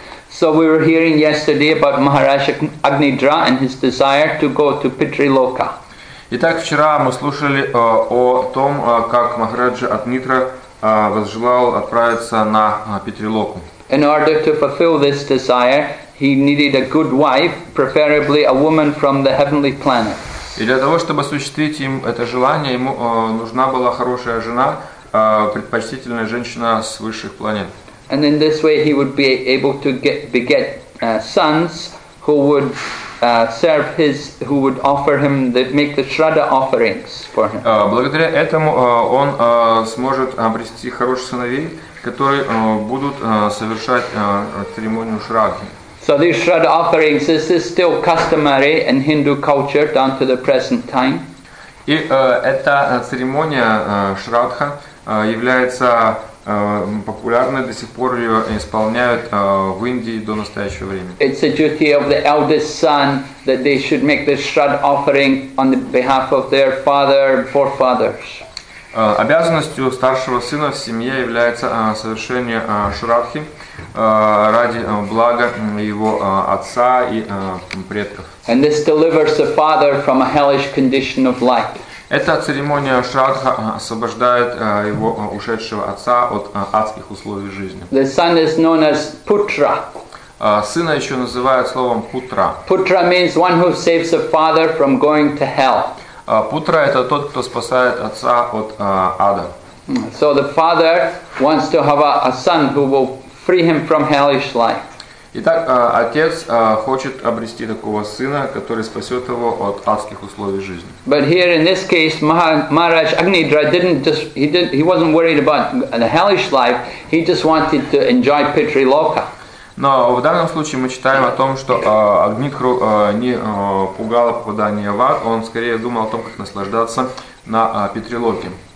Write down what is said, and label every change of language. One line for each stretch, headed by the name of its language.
English: So we were hearing yesterday about Maharaj Agnidra and his desire to go to Pitriloka.
Russian: Итак, вчера мы слушали о том, как Махараджа Агнидра возжелал отправиться на Питрилоку.
English: In order to fulfill this desire, he needed a good wife, preferably a woman from the heavenly planet.
Russian: И для того, чтобы осуществить им это желание, ему нужна была хорошая жена, предпочтительная женщина с высших планет.
English: And in this way, he would be able to beget sons who would serve his, who would offer him, make the Shraddha offerings for him.
Russian: Благодаря этому он сможет обрести хороших сыновей, которые будут совершать церемонию Шраддхи.
English: So these Shraddha offerings, this is still customary in Hindu culture down to the present time.
Russian: И эта церемония Шраддха является популярны до сих пор ее исполняют в Индии до настоящего времени.
English: It's a duty of the eldest son that they should make the Shraddha offering on the behalf of their father and forefathers.
Russian: Обязанностью старшего сына в семье является совершение Шраддхи ради блага его отца и предков.
English: And this delivers the father from a hellish condition of life.
Russian: Эта церемония Шраддха освобождает его ушедшего отца от адских условий жизни.
English: The son is known as Putra.
Russian: Сына еще называют словом Путра.
English: Putra means one who saves the father from going to hell.
Russian: Путра – это тот, кто спасает отца от ада.
English: So the father wants to have a son who will free him from hellish life.
Russian: Итак, отец хочет обрести такого сына, который спасет его от адских условий жизни.
English: But here in this case, Maharaj Agnidra he wasn't worried about the hellish life. He just wanted to enjoy Pitri Loka.
Russian: Но в данном случае мы читаем о том, что Агнидру не пугало попадание в ад. Он скорее думал о том, как наслаждаться на Питри Локе.